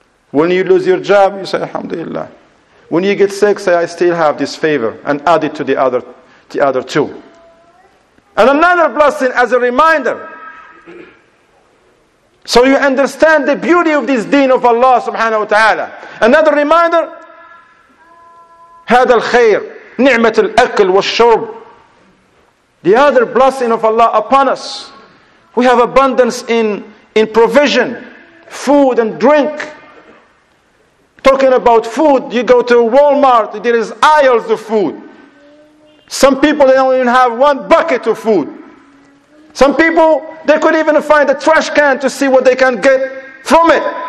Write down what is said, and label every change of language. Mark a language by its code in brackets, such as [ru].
[en] When you lose your job, you say, Alhamdulillah. When you get sick, say, I still have this favor, and add it to the other two. And another blessing as a reminder, so you understand the beauty of this deen of Allah subhanahu wa ta'ala. Another reminder. [ar] هذا الخير نعمة الأكل والشرب. [en] The other blessing of Allah upon us. We have abundance in provision. Food and drink. Talking about food, you go to Walmart, there is aisles of food. Some people, they don't even have one bucket of food. Some people, they could even find a trash can to see what they can get from it.